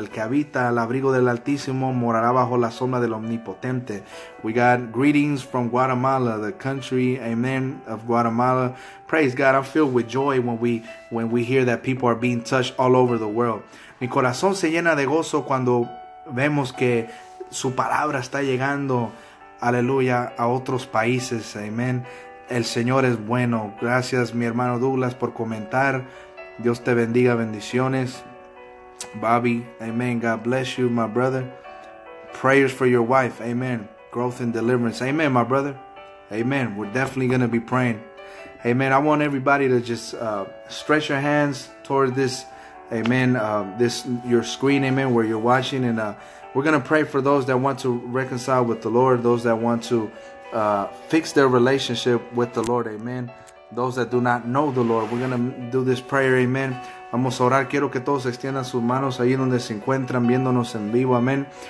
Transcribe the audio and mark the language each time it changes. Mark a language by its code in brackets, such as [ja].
[es] El que habita al abrigo del Altísimo morará bajo la sombra del Omnipotente. [en] We got greetings from Guatemala, the country, amen, of Guatemala. Praise God. I'm filled with joy when we hear that people are being touched all over the world. [es] Mi corazón se llena de gozo cuando vemos que su palabra está llegando, aleluya, a otros países, amen. El Señor es bueno. Gracias, mi hermano Douglas, por comentar. Dios te bendiga. Bendiciones. [en] Bobby, amen. God bless you, my brother. Prayers for your wife, amen. Growth and deliverance, amen, my brother. Amen. We're definitely going to be praying. Amen. I want everybody to just stretch your hands toward this, amen, this your screen, amen, where you're watching. And we're going to pray for those that want to reconcile with the Lord, those that want to fix their relationship with the Lord, amen. Those that do not know the Lord, we're going to do this prayer, amen. [es] Vamos a orar. Quiero que todos extiendan sus manos ahí donde se encuentran viéndonos en vivo, amen.